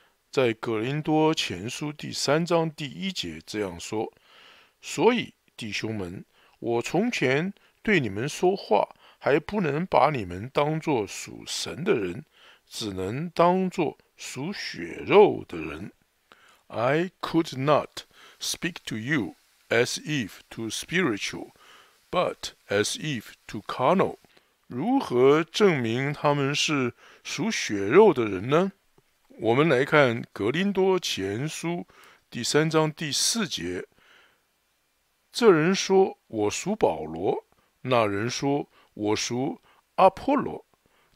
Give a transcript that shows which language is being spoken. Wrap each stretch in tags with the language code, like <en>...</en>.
<zh>在格林多前书第三章第一节这样说：所以弟兄们，我从前对你们说话，还不能把你们当作属神的人，只能当作属血肉的人。</zh> <en>I could not speak to you as if to spiritual, but as if to carnal.</en> <zh>如何证明他们是属血肉的人呢？我们来看《格林多前书》第三章第四节。这人说：“我属保罗。” 那人说：“我属阿波罗。”</zh>